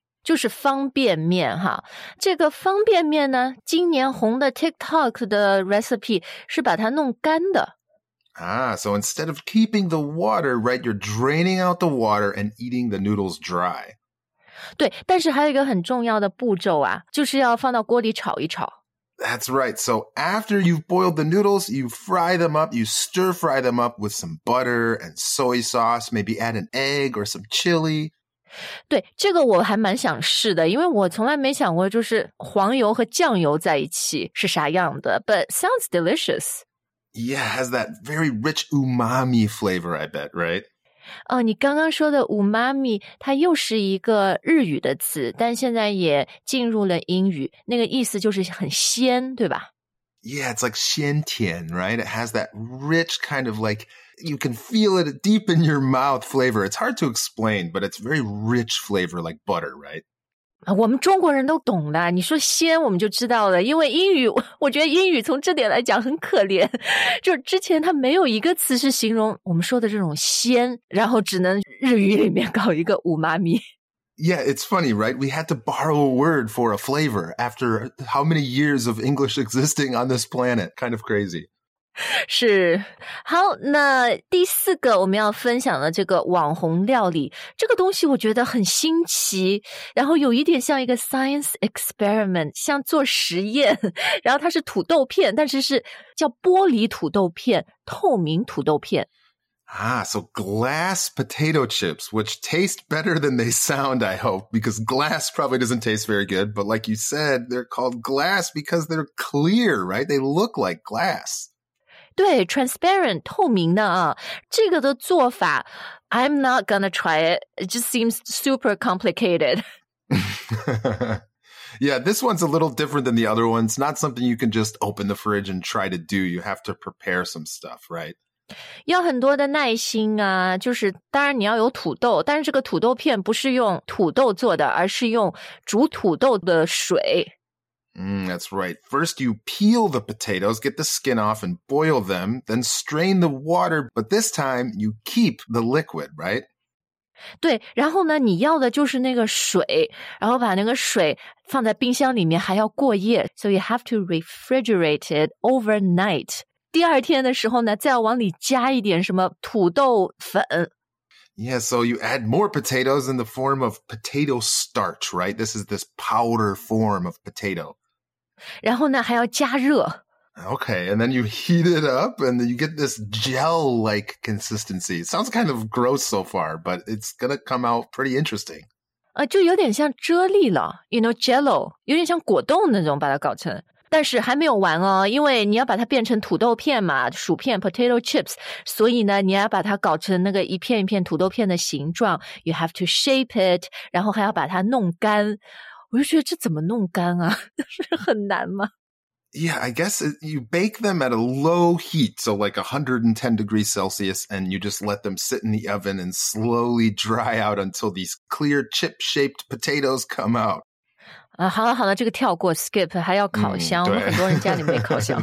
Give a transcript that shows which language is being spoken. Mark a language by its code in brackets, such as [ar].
[zh] 就是方便面哈。这个方便面呢，今年红的 TikTok 的 recipe 是把它弄干的。 [en] Ah, so instead of keeping the water, right, you're draining out the water and eating the noodles dry. [zh] 对，但是还有一个很重要的步骤啊，就是要放到锅里炒一炒。 [en] That's right. So after you've boiled the noodles, you fry them up, you stir fry them up with some butter and soy sauce, maybe add an egg or some chili. [zh] 对，这个我还蛮想试的，因为我从来没想过就是黄油和酱油在一起是啥样的。 [en] But sounds delicious. Yeah, has that very rich umami flavor, I bet, right? [zh] 哦，你刚刚说的 umami 它又是一个日语的词，但现在也进入了英语，那个意思就是很鲜，对吧？ [en] Yeah, it's like [zh] 鲜甜, [en] right? It has that rich kind of like, you can feel it deep in your mouth flavor. It's hard to explain, but it's very rich flavor like butter, right? [zh] 我们中国人都懂的，你说鲜我们就知道了，因为英语，我觉得英语从这点来讲很可怜，就之前它没有一个词是形容我们说的这种鲜，然后只能日语里面搞一个五妈咪。 [en] Yeah, it's funny, right? We had to borrow a word for a flavor after how many years of English existing on this planet? Kind of crazy. [zh] 是，好，那第四个我们要分享的这个网红料理，这个东西我觉得很新奇，然后有一点像一个 [en] science experiment， [zh] 像做实验，然后它是土豆片，但是是叫玻璃土豆片，透明土豆片。 [en] Ah, so glass potato chips, which taste better than they sound, I hope, because glass probably doesn't taste very good, but like you said, they're called glass because they're clear, right? They look like glass. [zh] 对 transparent, 透明的啊。这个的做法 [en] I'm not gonna try it. It just seems super complicated. Yeah, this one's a little different than the other ones. Not something you can just open the fridge and try to do. You have to prepare some stuff, right? [zh] 要很多的耐心啊，就是当然你要有土豆，但是这个土豆片不是用土豆做的，而是用煮土豆的水。 [en] That's right. First, you peel the potatoes, get the skin off and boil them, then strain the water. But this time, you keep the liquid, right? [zh] 对，然后呢，你要的就是那个水，然后把那个水放在冰箱里面，还要过夜。 [en] So you have to refrigerate it overnight. [zh] 第二天的时候呢，再要往里加一点什么土豆粉。 [en] Yeah, so you add more potatoes in the form of potato starch, right? This is this powder form of potato. [zh] 然后呢，还要加热。 [en] Okay, and then you heat it up and you get this gel-like consistency. It sounds kind of gross so far, but it's gonna come out pretty interesting. [zh] 就有点像啫喱了, [en] you know, jello, [zh] 有点像果冻那种把它搞成。但是还没有完哦，因为你要把它变成土豆片嘛，薯片 potato chips， 所以呢你要把它搞成那个一片一片土豆片的形状， [en] you have to shape it， [zh] 然后还要把它弄干。我就觉得这怎么弄干啊，是很难吗？ [en] Yeah, I guess you bake them at a low heat, so like 110 degrees Celsius, and you just let them sit in the oven and slowly dry out until these clear chip-shaped potatoes come out. [zh] 好了好了，这个跳过 skip， 还要烤箱，我们很多人家里没烤箱。